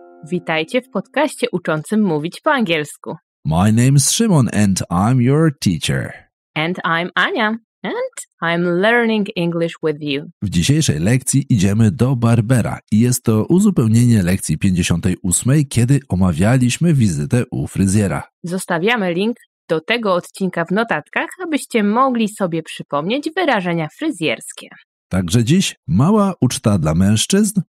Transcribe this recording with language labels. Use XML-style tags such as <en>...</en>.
<pl>Witajcie w podcaście uczącym mówić po angielsku.</pl> <en>My name is Szymon and I'm your teacher. And I'm Ania. And I'm learning English with you.</en> <pl>W dzisiejszej lekcji idziemy do barbera i jest to uzupełnienie lekcji 58, kiedy omawialiśmy wizytę u fryzjera. Zostawiamy link do tego odcinka w notatkach, abyście mogli sobie przypomnieć wyrażenia fryzjerskie. Także dziś mała uczta dla mężczyzn.</pl>